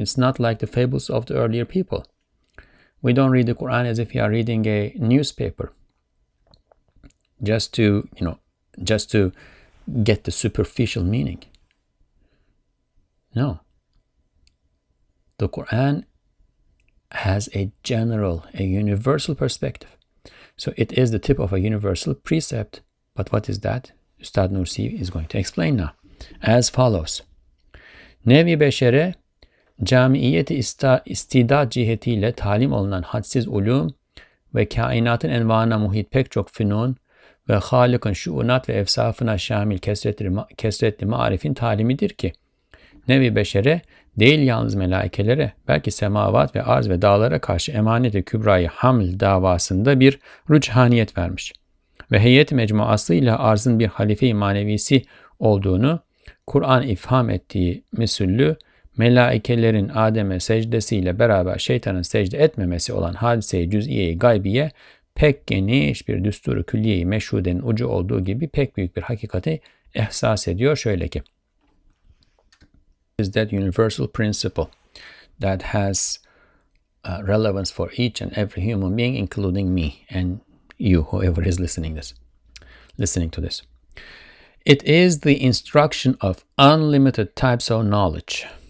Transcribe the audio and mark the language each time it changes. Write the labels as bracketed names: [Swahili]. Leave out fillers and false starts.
[English] It's not like the fables of the earlier people. We don't read the Quran as if you are reading a newspaper just to get the superficial meaning. No. The Quran has a general, a universal perspective. So it is the tip of a universal precept. But what is that? Ustad Nursi is going to explain now. As follows. [Turkish] Nevi beşere camiyeti istidat cihetiyle talim olunan hadsiz ulum ve kainatın envana muhit pek çok fünun ve halikun şuunat ve efsafına şamil kesretli marifin talimidir ki nevi beşere değil yalnız melaikelere, belki semavat ve arz ve dağlara karşı emanet-i kübrayı haml davasında bir rüçhaniyet vermiş. Ve heyet-i mecmuasıyla arzın bir halife-i manevisi olduğunu, Kur'an ifham ettiği misullü, melaikelerin Adem'e secdesiyle beraber şeytanın secde etmemesi olan hadise-i cüz'iye-i gaybiye, pek geniş bir düsturu külliye-i meşhudenin ucu olduğu gibi pek büyük bir hakikati ehsas ediyor şöyle ki. [English] Is that universal principle that has relevance for each and every human being, including me and you, whoever is listening to this. It is the instruction of unlimited types of knowledge.